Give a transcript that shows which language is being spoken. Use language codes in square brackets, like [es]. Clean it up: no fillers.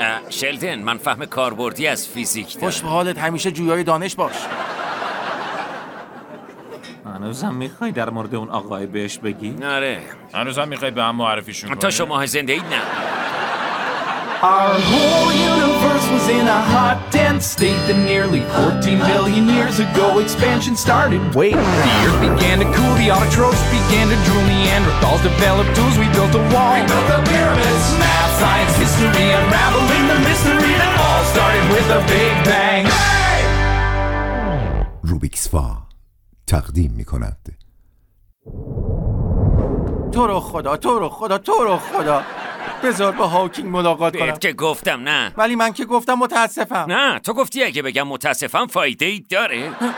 [fa] شلدن من فهم کاربردی از فیزیک دارم. خوش به حالت، همیشه جویای دانش باش. هنوزم میخوای در مورد اون آقای بهش بگی؟ نره، هنوزم میخوای به هم معرفیشون کنی؟ تا شما زنده اید نه. [en] Our whole universe was in a hot, dense state. Then nearly 14 billion years ago, expansion started. Wait, the earth began to cool. The autotrophs began to drool. Neanderthals developed tools. We built a wall. We built the pyramids. Math, science, history, unraveling the mystery that all started with a big bang. Hey! [fa] Rubik's Fa, تقدیم میکند. تو رو خدا، تو رو خدا، تو رو خدا. بذار با هاکینگ ملاقات کنم. که گفتم نه. ولی من که گفتم متاسفم. نه، تو گفتی اگه بگم متاسفم فایده ای داره.